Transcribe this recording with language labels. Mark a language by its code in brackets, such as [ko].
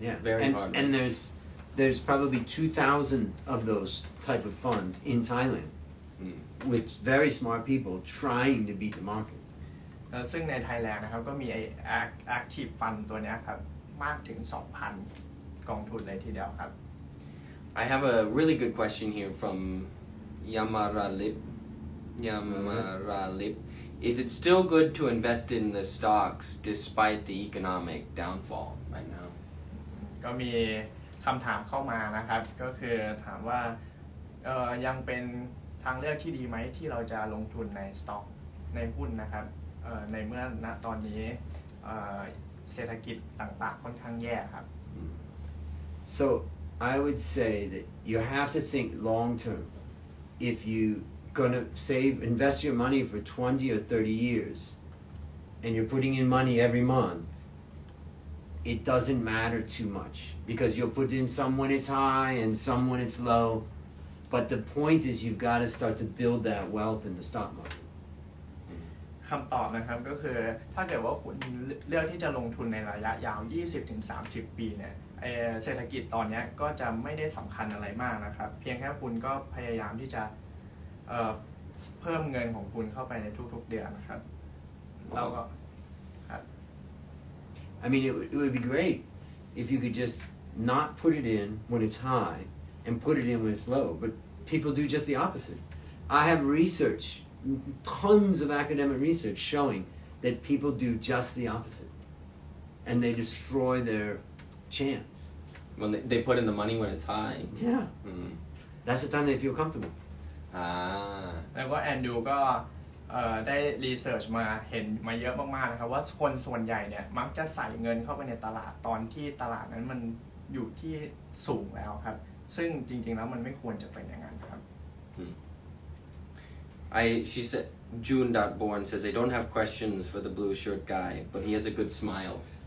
[en] very hard and there's probably 2,000 of those type of funds in Thailand with very smart people trying to beat the market. [th] ซึ่งในไทยแลนด์นะครับก็มีไอ้ active fund ตัวนี้ครับมากถึง 2,000 กองทุนเลยทีเดียวครับ [en] I have a really good question here from Yamaralip. Yamaralip. Is it still good to invest in the stocks despite the economic downfall right now? [th] ก็มีคำถามเข้ามานะครับก็คือถามว่ายังเป็นทางเลือกที่ดีไหมที่เราจะลงทุนในสต็อกในหุ้นนะครับในเมื่อณตอนนี้เศรษฐกิจต่างๆค่อนข้างแย่ครับ [en] So I would say that you have to think long term if you gonna save invest your money for 20 or 30 years and you're putting in money every monthIt doesn't matter too much because you'll put in some when it's high and some when it's low. But the point is you've got to start to build that wealth in the stock market. [th] คำตอบนะครับก็คือถ้าเกิดว่าคุณเลือกที่จะลงทุนในระยะยาว 20-30 ปีเนี่ยเศรษฐกิจตอนนี้ก็จะไม่ได้สำคัญอะไรมากนะครับเพียงแค่คุณก็พยายามที่จะเพิ่มเงินของคุณเข้าไปในทุกๆเดือนนะครับเราก็ [en] I mean, it would be great if you could just not put it in when it's high and put it in when it's low. But people do just the opposite. I have research, tons of academic research showing that people do just the opposite. And they destroy their chance. When they put in the money when it's high? Yeah. Mm. That's the time they feel comfortable. Ah. And you go... [th] ได้รีเสิร์ชมาเห็นมาเยอะมากๆนะครับว่าคนส่วนใหญ่เนี่ยมักจะใส่เงินเข้าไปในตลาดตอนที่ตลาดนั้นมันอยู่ที่สูงแล้วครับซึ่งจริงๆแล้วมันไม่ควรจะเป็นอย่างนั้นครับ [en] She said, June.born says, I don't have questions for the blue shirt guy, but he has a good smile.